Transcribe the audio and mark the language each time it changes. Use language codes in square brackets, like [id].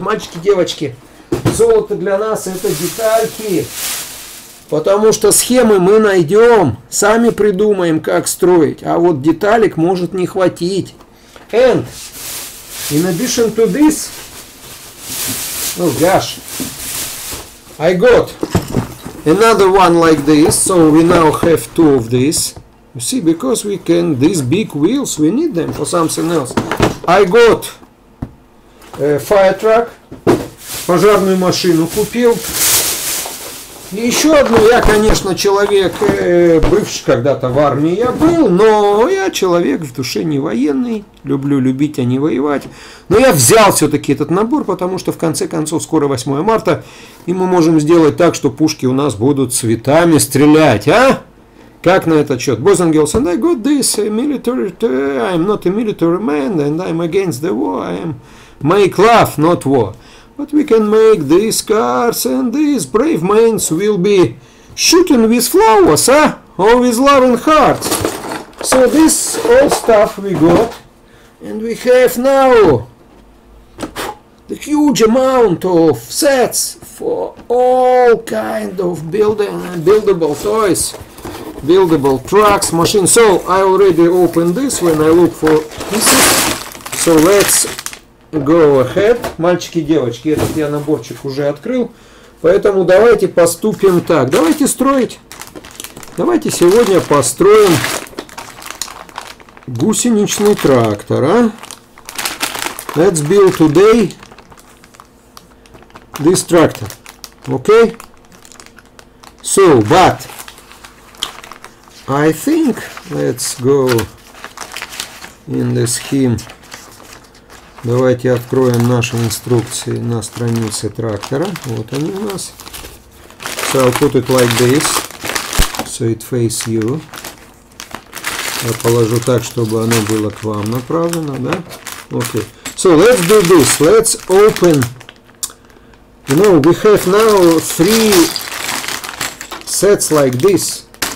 [ru] Мальчики, девочки, золото для нас – это детальки. Потому что схемы мы найдем. Сами придумаем, как строить. А вот деталек может не хватить. [en] And in addition to this, oh gosh, I got another one like this, so we now have 2 of these. You see, because we can, these big wheels, we need them for something else. I got a fire truck, [ru] пожарную машину купил. И еще одну, я, конечно, человек, бывший когда-то в армии я был, но я человек в душе не военный, люблю любить, а не воевать. Но я взял все-таки этот набор, потому что в конце концов скоро 8 марта, и мы можем сделать так, что пушки у нас будут цветами стрелять, а? Как на этот счет? [en] Boys and girls, and I got this military, I'm not a military man, and I'm against the war, I am make love, not war. But we can make these cars and these brave men will be shooting with flowers, huh? Or with loving hearts. So this all stuff we got. And we have now the huge amount of sets for all kind of building and buildable toys. Buildable trucks, machines. So I already opened this when I look for pieces. So let's go ahead. [ru] Мальчики, девочки, этот я наборчик уже открыл. Поэтому давайте поступим так. Давайте строить. Давайте сегодня построим гусеничный трактор. [en] А? Let's build today this tractor. Okay? So, but I think let's go in the scheme. [ru] Давайте откроем наши инструкции на странице трактора. Вот они у нас. [en] So I'll put it like this, so it face you. [ru] Я положу так, чтобы оно было к вам направлено, да? [en] Okay. So let's do this. Let's open. You know, we have now 3 sets like this.